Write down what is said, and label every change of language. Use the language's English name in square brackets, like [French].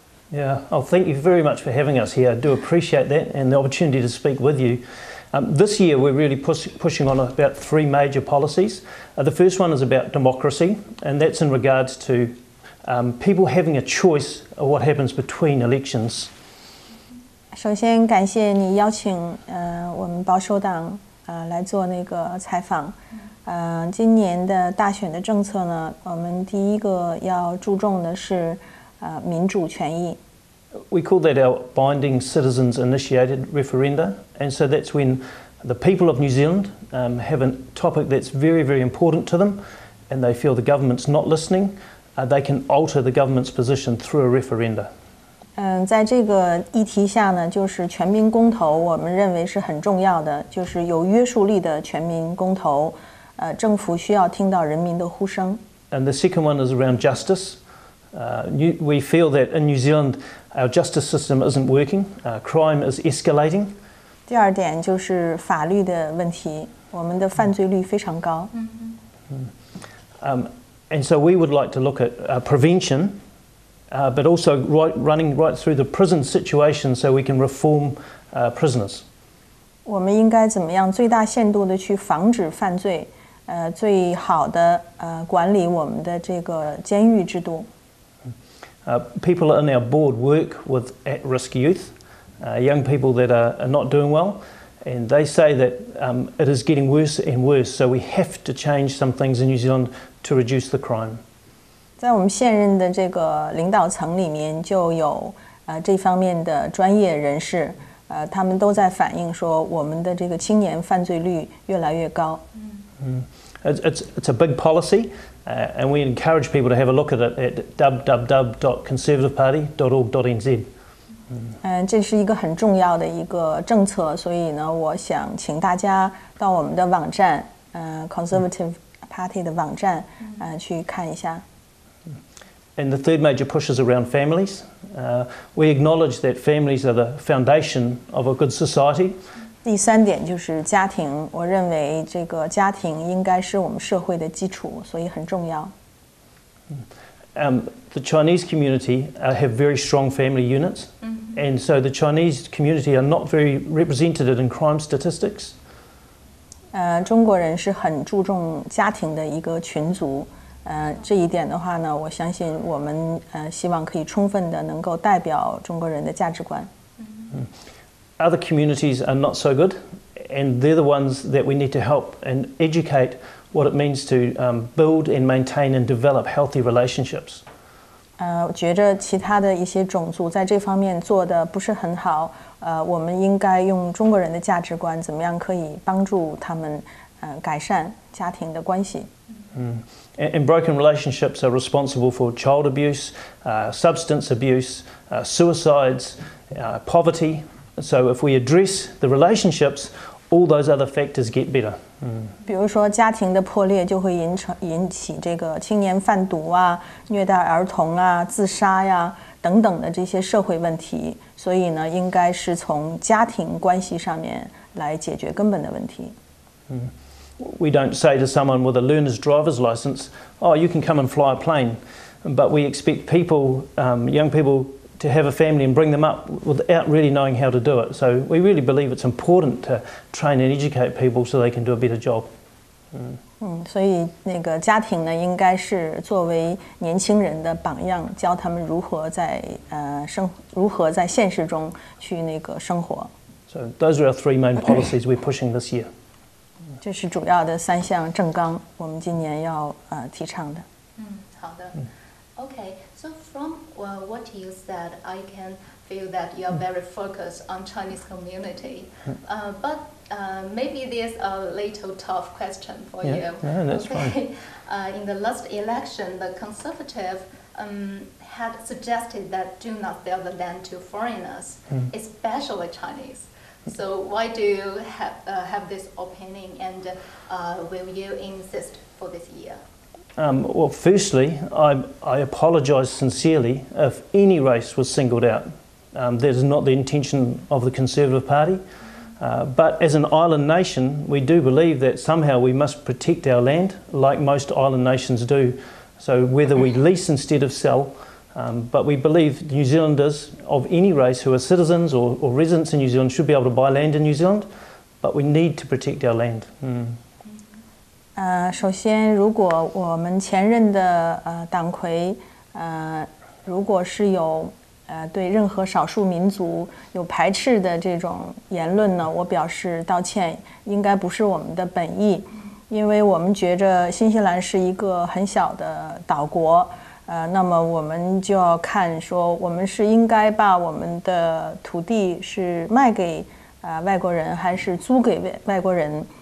[English] Yeah, oh, thank you very much for having us here. I do appreciate that and the opportunity to speak with you. This year, we're really pushing on about three major policies. The first one is about democracy, and that's in regards to people having a choice of what happens between elections. [Chinese] 首先感谢你邀请我们保守党来做那个采访。今年的大选的政策呢，我们第一个要注重的是民主权益。 [English] We call that our binding citizens initiated referenda, and so that's when the people of New Zealand have a topic that's very, very important to them, and they feel the government's not listening, they can alter the government's position through a referenda. [Chinese] 在这个议题下呢，就是全民公投，我们认为是很重要的，就是有约束力的全民公投，政府需要听到人民的呼声。 [English] And the second one is around justice. We feel that in New Zealand,Our justice system isn't working. Crime is escalating. [Chinese] 第二点就是法律的问题，我们的犯罪率非常高。 [English] And so we would like to look at prevention, but also running right through the prison situation so we can reform prisoners. [Chinese] 我们应该怎么样最大限度地去防止犯罪，最好的管理我们的这个监狱制度。 [English] People in our board work with at-risk youth, young people that are not doing well, and they say that it is getting worse and worse, so we have to change some things in New Zealand to reduce the crime. [Chinese] 在我们现任的这个领导层里面就有这方面的专业人士，他们都在反映说我们的这个青年犯罪率越来越高。 [English] It's a big policy. And we encourage people to have a look at it at www.conservativeparty.org.nz. [Chinese] 这是一个很重要的一个政策，所以呢，我想请大家到我们的网站，Conservative Party 的网站，去看一下。 [English] And the third major push is around families. We acknowledge that families are the foundation of a good society. [Chinese] 第三点就是家庭，我认为这个家庭应该是我们社会的基础，所以很重要。 [English] The Chinese community have very strong family units, and so the Chinese community are not very represented in crime statistics. [Chinese] 中国人是很注重家庭的一个群族，这一点的话呢，我相信我们希望可以充分的能够代表中国人的价值观。 [English] Other communities are not so good, and they're the ones that we need to help and educate what it means to build and maintain and develop healthy relationships. [Chinese] 觉着其他的一些种族在这方面做的不是很好，我们应该用中国人的价值观，怎么样可以帮助他们，改善家庭的关系。 [English] And broken relationships are responsible for child abuse, substance abuse, suicides, poverty. So if we address the relationships, all those other factors get better. [Chinese] 比如说家庭的破裂就会引起这个青年贩毒啊、虐待儿童啊、自杀呀等等的这些社会问题。所以呢，应该是从家庭关系上面来解决根本的问题。 [English] We don't say to someone with a learner's driver's license, oh, you can come and fly a plane. But we expect people, young people,to have a family and bring them up without really knowing how to do it. So we really believe it's important to train and educate people so they can do a better job. [Chinese] 所以那个家庭呢，应该是作为年轻人的榜样，教他们如何在如何在现实中去那个生活。 [English] So those are our three main policies we're pushing this year. [Chinese] 这是主要的三项政纲，我们今年要提倡的。好的。 [English] Okay, so from what you said, I can feel that you are very focused on Chinese community. But maybe there's a little tough question for yeah, you. Yeah, that's okay. Fine. In the last election, the Conservative had suggested that do not sell the land to foreigners, especially Chinese. So why do you have this opinion and will you insist for this year? Well, firstly, I apologize sincerely if any race was singled out. That is not the intention of the Conservative Party. But as an island nation, we do believe that somehow we must protect our land, like most island nations do. So whether we lease instead of sell, but we believe New Zealanders of any race who are citizens or residents in New Zealand should be able to buy land in New Zealand, but we need to protect our land. Mm. [Chinese] 首先，如果我们前任的党魁，如果是有对任何少数民族有排斥的这种言论呢，我表示道歉，应该不是我们的本意，因为我们觉着新西兰是一个很小的岛国，那么我们就要看说，我们是应该把我们的土地是卖给外国人，还是租给外国人。